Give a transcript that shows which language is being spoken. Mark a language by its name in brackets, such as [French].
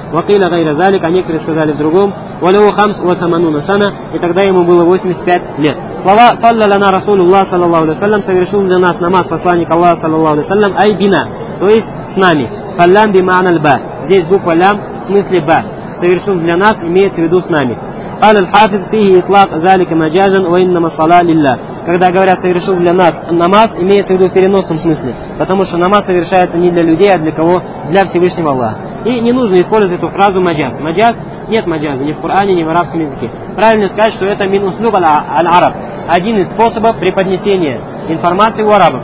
[Arabic] Вакиля гайра залик, [Russian] а некоторые сказали в другом: [Arabic] Валяу хамс ва самануна сана, [Russian] и тогда ему было 85 лет. Слова [Arabic] «Салля лана Расулуллах саллаллаху алейхи ва саллям», [Russian] совершил для нас намаз посланник Аллаха саллаллаху алейхи ва саллям, [Arabic] «ай бина», [Russian] то есть с нами. [Arabic] «Фаллям би ма'наль ба», [Russian] здесь буква «лям» в смысле «ба». Совершил для нас, имеется в виду с нами. [Arabic] قال الحافظ فيه إطلاق ذلك مجازا وإنما الصلاة لله. [Russian] Когда говорят совершил для нас намаз, имеется в виду в переносном смысле, потому что намаз совершается не для людей, а для кого? Для Всевышнего Аллаха. И не нужно использовать эту фразу маджаз. Маджаз? Нет маджаза ни в Коране, ни в арабском языке. Правильно сказать, что это [Arabic] мин услуг аль-араб. [Russian] Один из способов преподнесения информации у арабов.